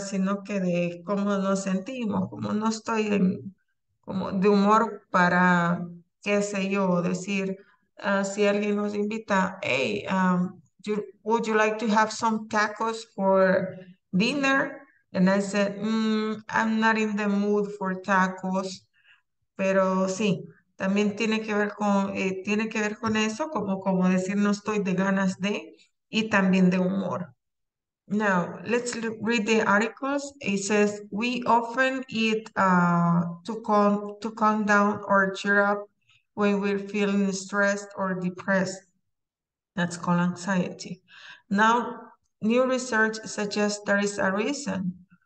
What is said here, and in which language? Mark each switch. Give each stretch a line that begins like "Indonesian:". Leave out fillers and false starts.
Spanish: Sino que de cómo nos sentimos, como no estoy en, como de humor para, qué sé yo, decir... si alguien nos invita,
English: hey, would you like to have some tacos for dinner? And I said, I'm not in the mood for tacos.
Spanish: Pero sí, también tiene que ver con eso, como decir no estoy de ganas de, y también de humor.
English: Now, let's read the articles. It says, we often eat to calm down or cheer up when we're feeling stressed or depressed. That's called anxiety. Now, new research suggests there is a reason.